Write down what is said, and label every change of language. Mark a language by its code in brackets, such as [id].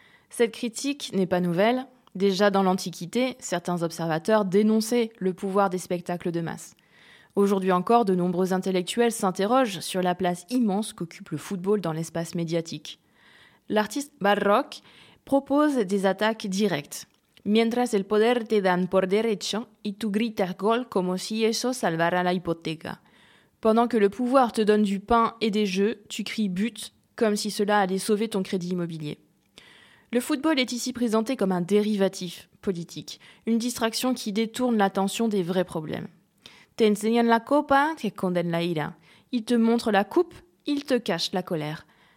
[fr] Cette critique n'est pas nouvelle. Déjà dans l'Antiquité, certains observateurs dénonçaient le pouvoir des spectacles de masse. Aujourd'hui encore, de nombreux intellectuels s'interrogent sur la place immense qu'occupe le football dans l'espace médiatique. L'artiste Baroque propose des attaques directes. [es] Mientras el poder te dan por derecho y tú gritas gol como si eso salvara la hipoteca. [fr] Pendant que le pouvoir te donne du pain et des jeux, tu cries « but » comme si cela allait sauver ton crédit immobilier. Le football est ici présenté comme un dérivatif politique, une distraction qui détourne l'attention des vrais problèmes. « [es] Te enseñan la copa, te esconden la ira. [fr] » Ils te montrent la coupe, ils te cachent la colère.